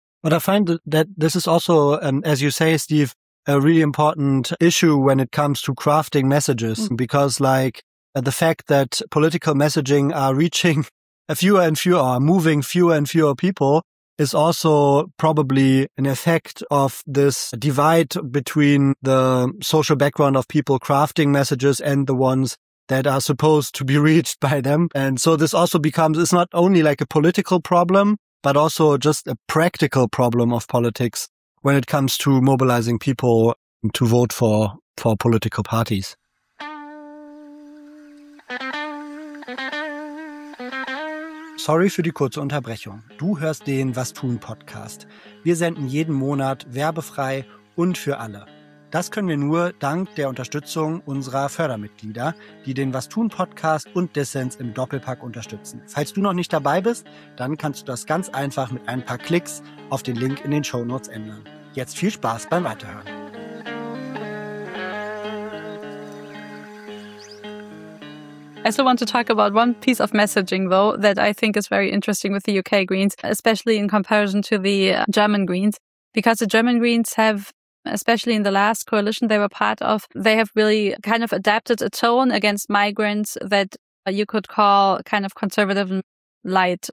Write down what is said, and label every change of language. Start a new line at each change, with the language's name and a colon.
English: But I find that this is also, as you say, Steve, a really important issue when it comes to crafting messages, because like the fact that political messaging are reaching moving fewer and fewer people is also probably an effect of this divide between the social background of people crafting messages and the ones that are supposed to be reached by them. And so this also becomes, it's not only like a political problem, but also just a practical problem of politics when it comes to mobilizing people to vote for political parties.
German: Sorry für die kurze Unterbrechung. Du hörst den Was tun Podcast. Wir senden jeden Monat werbefrei und für alle. Das können wir nur dank der Unterstützung unserer Fördermitglieder, die den Was tun Podcast und Dissens im Doppelpack unterstützen. Falls du noch nicht dabei bist, dann kannst du das ganz einfach mit ein paar Klicks auf den Link in den Shownotes ändern. Jetzt viel Spaß beim Weiterhören.
English: I still want to talk about one piece of messaging, though, that I think is very interesting with the UK Greens, especially in comparison to the German Greens, because the German Greens have, especially in the last coalition they were part of, they have really kind of adapted a tone against migrants that you could call kind of conservative and light.